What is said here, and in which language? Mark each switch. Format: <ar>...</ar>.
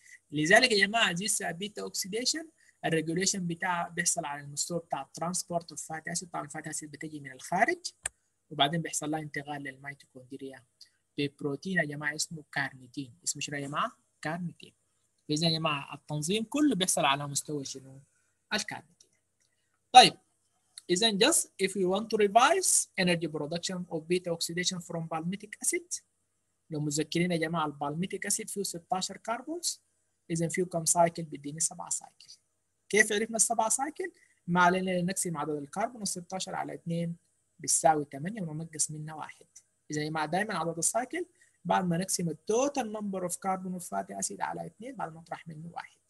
<ar>لذلك يا جماعه ذيس بيتا اوكسيديشن الريجوليشن بتاع بيحصل على المستوى بتاع الترانسبورت اوف فات اسيد، طبعا الفات اسيد بتجي من الخارج وبعدين بيحصل لها انتقال للميتوكوندريا ببروتين يا جماعه اسمه كارنيتين. اسمه شنو يا جماعه؟ كارنيتين. اذا يا جماعه التنظيم كله بيحصل على مستوى شنو؟ الكارنيتين.</ar> <en>طيب Isn't just if we want to revise energy production of beta oxidation from palmitic acid.</en> <ar>لو متذكرين يا جماعة البالميتيك أسيد فيه 16 كربونز، إذا فيه كم سايكل؟ بيديني 7 سايكل. كيف عرفنا 7 سايكل؟ ما علينا نقسم عدد الكربون 16 على 2 بتساوي 8 وننقص منها 1. إذا يا جماعة دائما عدد السايكل بعد ما نقسم التوتال نمبر أوف كربون أوف فاتي أسيد على 2 بعد ما نطرح منه 1.</ar>